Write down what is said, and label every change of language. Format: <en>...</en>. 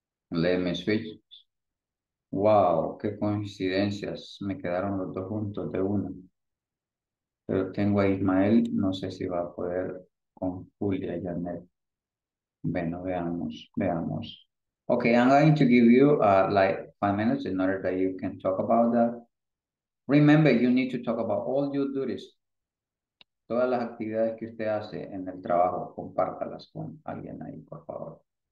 <en>Let me switch.</en> <es>Wow, qué coincidencias. Me quedaron los dos juntos de uno. Pero tengo a Ismael, no sé si va a poder con Julia y Janet. Bueno, veamos, veamos.</es> <en>Okay, I'm going to give you like 5 minutes in order that you can talk about that. Remember, you need to talk about all your duties.</en> <es>Todas las actividades que usted hace en el trabajo, compártalas con alguien ahí, por favor.</es>